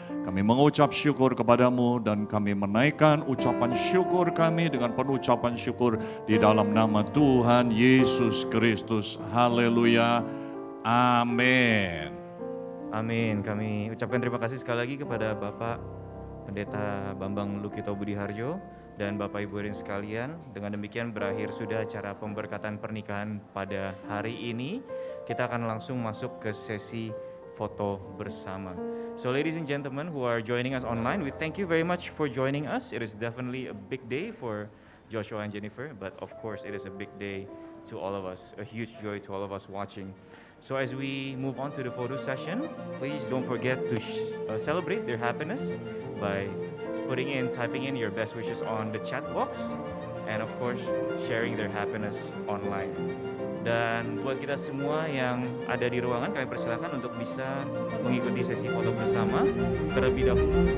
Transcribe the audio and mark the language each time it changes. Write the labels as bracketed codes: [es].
[id] Kami mengucap syukur kepada-Mu dan kami menaikkan ucapan syukur kami dengan penuh ucapan syukur di dalam nama Tuhan Yesus Kristus. Haleluya. Amin. Amin. Kami ucapkan terima kasih sekali lagi kepada Bapak Pendeta Bambang Lukito Budiharjo dan Bapak Ibu Rin sekalian. Dengan demikian berakhir sudah acara pemberkatan pernikahan pada hari ini. Kita akan langsung masuk ke sesi foto bersama. [en] So ladies and gentlemen who are joining us online, we thank you very much for joining us. It is definitely a big day for Joshua and Jennifer, but of course it is a big day to all of us, a huge joy to all of us watching. So as we move on to the photo session, please don't forget to celebrate their happiness by typing in your best wishes on the chat box, and of course sharing their happiness online. [id] Dan buat kita semua yang ada di ruangan, kami persilakan untuk bisa mengikuti sesi foto bersama terlebih dahulu.